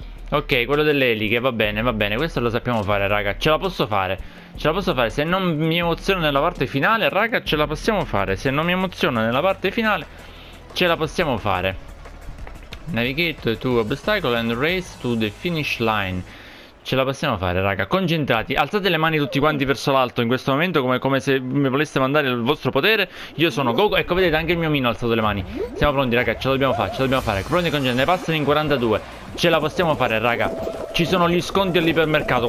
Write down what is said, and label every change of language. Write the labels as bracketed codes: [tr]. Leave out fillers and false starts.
[it] Ok, quello delle eliche, va bene, questo lo sappiamo fare raga, ce la posso fare, se non mi emoziono nella parte finale, raga, ce la possiamo fare. Se non mi emoziono nella parte finale, ce la possiamo fare. [en] Navigate to obstacle and race to the finish line. [it] Ce la possiamo fare, raga. Concentrati. Alzate le mani tutti quanti verso l'alto in questo momento, come se mi voleste mandare il vostro potere. Io sono Goku. Ecco, vedete, anche il mio Mino ha alzato le mani. Siamo pronti, raga. Ce la dobbiamo fare. Pronti, concentrati. Ne passano in 42. Ce la possiamo fare, raga. Ci sono gli sconti all'ipermercato.